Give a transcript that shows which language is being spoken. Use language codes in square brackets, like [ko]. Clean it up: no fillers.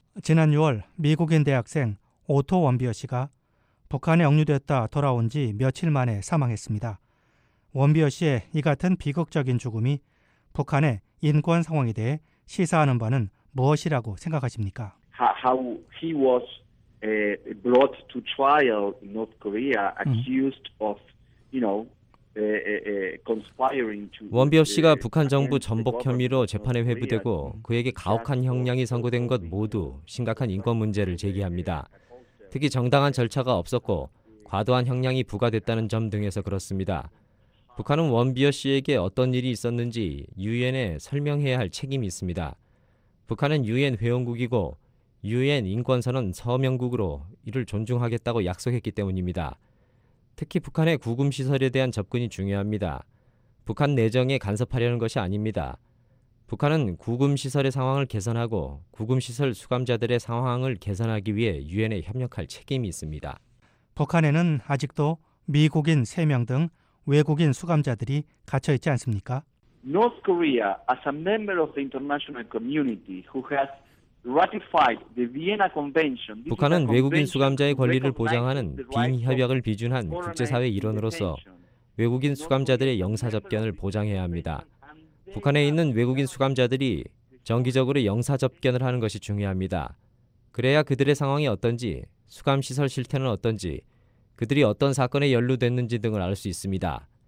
[ko] 지난 6월 미국인 대학생 오토 원비어 씨가 북한에 억류됐다 돌아온 지 며칠 만에 사망했습니다. 원비어 씨의 이 같은 비극적인 죽음이 북한의 인권 상황에 대해 시사하는 바는 무엇이라고 생각하십니까? [en] How he was brought to trial in North Korea, accused of, you know, conspiring to. [ko] 원비어 씨가 북한 정부 전복 혐의로 재판에 회부되고 그에게 가혹한 형량이 선고된 것 모두 심각한 인권 문제를 제기합니다. 특히 정당한 절차가 없었고 과도한 형량이 부과됐다는 점 등에서 그렇습니다. 북한은 원비어 씨에게 어떤 일이 있었는지 유엔에 설명해야 할 책임이 있습니다. 북한은 유엔 회원국이고 유엔 인권선언 서명국으로 이를 존중하겠다고 약속했기 때문입니다. 특히 북한의 구금시설에 대한 접근이 중요합니다. 북한 내정에 간섭하려는 것이 아닙니다. 북한은 구금시설의 상황을 개선하고 구금시설 수감자들의 상황을 개선하기 위해 유엔에 협력할 책임이 있습니다. 북한에는 아직도 미국인 3명 등 외국인 수감자들이 갇혀 있지 않습니까? [en] North Korea, as a member of the international community who has ratified the Vienna Convention. [ko] 북한은 외국인 수감자의 권리를 보장하는 빈 협약을 비준한 국제사회 일원으로서 외국인 수감자들의 영사 접견을 보장해야 합니다. 북한에 있는 외국인 수감자들이 정기적으로 영사 접견을 하는 것이 중요합니다. 그래야 그들의 상황이 어떤지, 수감시설 실태는 어떤지, 그들이 어떤 사건에 연루됐는지 등을 알 수 있습니다.